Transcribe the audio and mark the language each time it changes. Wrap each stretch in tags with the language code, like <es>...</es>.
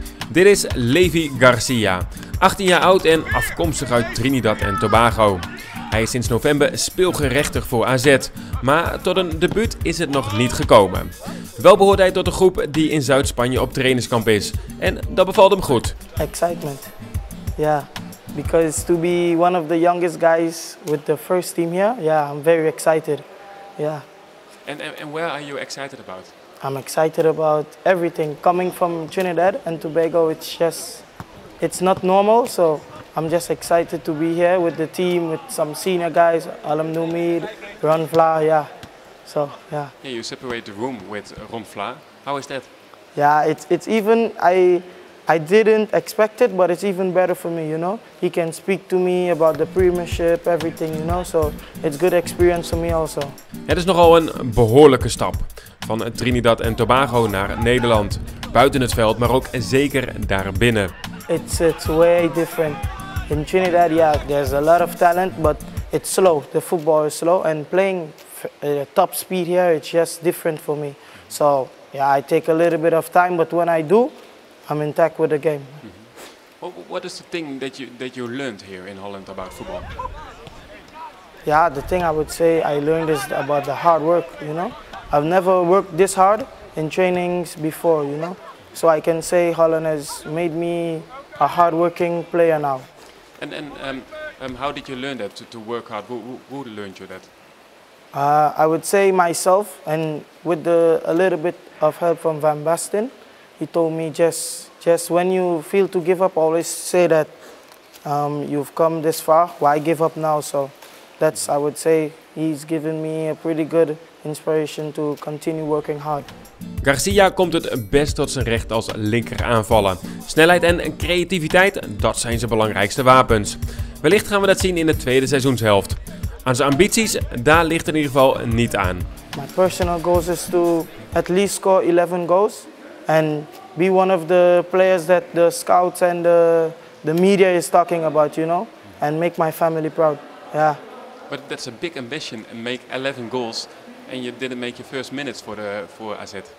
<nl>Dit is Levi Garcia, 18 jaar oud en afkomstig uit Trinidad en Tobago. Hij is sinds november speelgerechtig voor AZ, maar tot een debuut is het nog niet gekomen. Wel behoort hij tot de groep die in Zuid-Spanje op trainingskamp is. En dat bevalt hem goed.</nl> <en>Excitement.</en> <nl>Ja,</nl> <en>yeah. Because to be one of the youngest guys with the first team here, yeah, I'm very excited. Yeah. And where are you excited about? I'm excited about everything. Coming from Trinidad and Tobago, it's not normal, so I'm just excited to be here with the team, with some senior guys, Alam Noumid, Ron Vla, yeah. So, yeah. Yeah, you separate the room with Ron Vla. How is that? Yeah, it's even, I didn't expect it, but it's even better for me, you know. He can speak to me about the premiership, everything, you know. So, it's good experience for me also.</en> <nl>Het is nogal een behoorlijke stap. Van Trinidad en Tobago naar Nederland. Buiten het veld, maar ook zeker daarbinnen.</nl> <en>It's way different. In Trinidad, yeah, there's a lot of talent, but it's slow. The football is slow and playing top speed here, it's just different for me. So, yeah, I take a little bit of time, but when I do, I'm intact with the game. Mm-hmm. What is the thing that you learned here in Holland about football? Yeah, the thing I would say I learned is about the hard work, you know? I've never worked this hard in trainings before, you know? So I can say Holland has made me a hard-working player now. And how did you learn that, to work hard? Who learned you that? I would say myself, and with a little bit of help from Van Basten. He told me just when you feel to give up, always say that you've come this far, why give up now? So that's, I would say, he's given me a pretty good inspiration to continue working hard.</en> <nl>Garcia komt het best tot zijn recht als linker aanvaller. Snelheid en creativiteit, dat zijn zijn belangrijkste wapens. Wellicht gaan we dat zien in de tweede seizoenshelft. Aan zijn ambities, daar ligt het in ieder geval niet aan.</nl> <en>My personal goals is to at least score 11 goals and be one of the players that the scouts and the media is talking about, you know, and make my family proud. Yeah. But that's a big ambition and make 11 goals. And you didn't make your first minutes for AZ.</en>